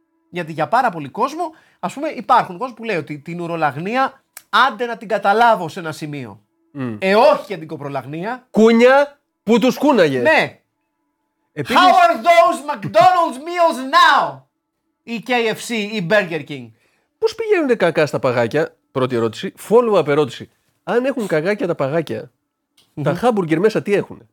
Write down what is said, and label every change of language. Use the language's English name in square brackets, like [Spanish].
[Greek] Γιατί για πάρα πολύ κόσμο, ας πούμε, υπάρχουν κόσμο που λέει ότι την ουρολαγνία άντε να την καταλάβω σε ένα σημείο. Όχι για την κοπρολαγνία. Κούνια που τους κούναγε. Ναι. [English] How are those McDonald's meals now? Η KFC, η Burger King. [Greek] Πώς πηγαίνουν κακά στα παγάκια? Πρώτη ερώτηση. Follow-up ερώτηση. Αν έχουν κακάκια τα παγάκια, τα hamburger μέσα τι έχουν?